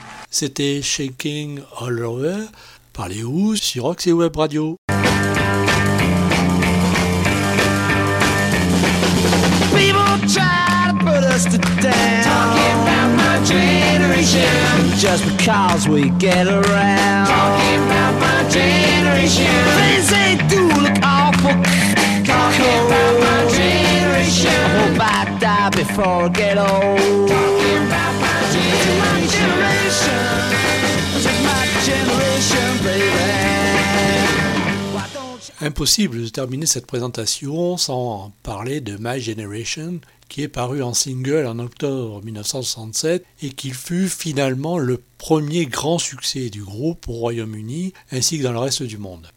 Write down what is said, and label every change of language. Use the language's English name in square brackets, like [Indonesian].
[French] C'était Shaking All Over par les Who sur Rox et Web Radio. [English] People try to put us to down, talking about my generation, just because we get around, talking about my generation. They say do look awful, talking about my generation. before I get old. Talking about my generation. It's my generation, baby. [French] Impossible de terminer cette présentation sans parler de My Generation, qui est paru en single en octobre 1967 et qui fut finalement le premier grand succès du groupe au Royaume-Uni ainsi que dans le reste du monde.